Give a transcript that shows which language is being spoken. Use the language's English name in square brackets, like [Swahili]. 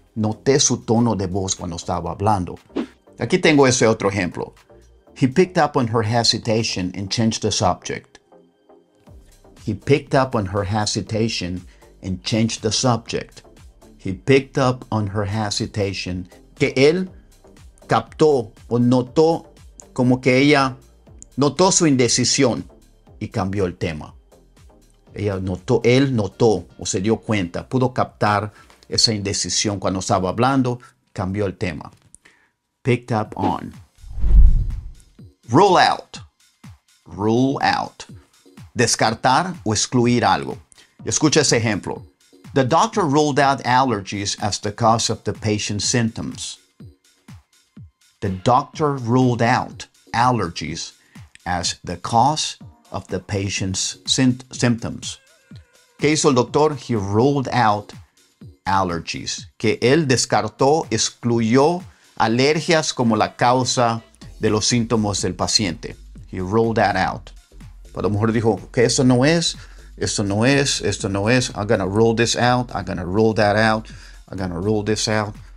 [Spanish] Noté su tono de voz cuando estaba hablando. Aquí tengo ese otro ejemplo. [English] He picked up on her hesitation and changed the subject. He picked up on her hesitation and changed the subject. He picked up on her hesitation. [Spanish] Que él captó o notó como que ella notó su indecisión y cambió el tema. Ella notó, él notó o se dio cuenta, pudo captar esa indecisión cuando estaba hablando, cambió el tema. [English] Picked up on. Rule out. Rule out. [Spanish] Descartar o excluir algo. Escucha ese ejemplo. [English] The doctor ruled out allergies as the cause of the patient's symptoms. The doctor ruled out allergies as the cause of the patient's symptoms. [Spanish] ¿Qué hizo el doctor? [English] He ruled out allergies. [Spanish] Que él descartó, excluyó alergias como la causa de los síntomas del paciente. [English] He ruled that out. [Spanish] Pero a lo mejor dijo, que okay, eso no es, esto no es, esto no es. [English] I'm going to rule this out. I'm going to rule that out. I'm going to rule this out.